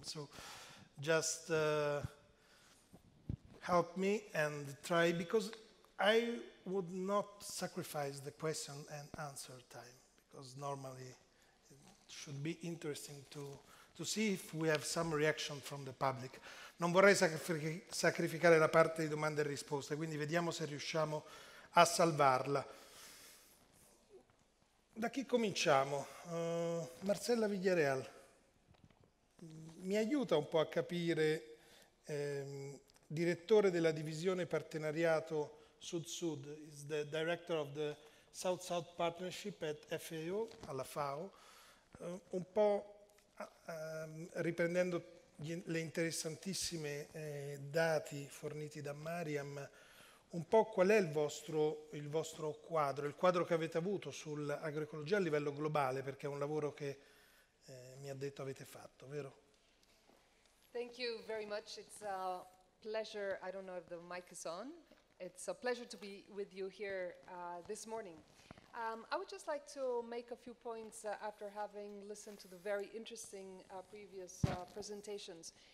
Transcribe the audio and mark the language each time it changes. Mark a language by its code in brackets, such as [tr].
[en] So just help me and try, because I would not sacrifice the question and answer time, because normally should be interesting to see if we have some reaction from the public. [it] Non vorrei sacrificare la parte di domande e risposte, quindi vediamo se riusciamo a salvarla. Da chi cominciamo? Marcella Villareal, mi aiuta un po' a capire, direttore della divisione partenariato Sud-Sud, [en] is the director of the South-South Partnership at FAO, [it] alla FAO. Un po' riprendendo le interessantissime dati forniti da Mariam, un po' qual è il vostro quadro, il quadro che avete avuto sull'agroecologia a livello globale, perché è un lavoro che mi ha detto avete fatto, vero? [en] Thank you very much. It's a pleasure. I don't know if the mic is on. It's a pleasure to be with you here this morning. I would just like to make a few points after having listened to the very interesting previous presentations.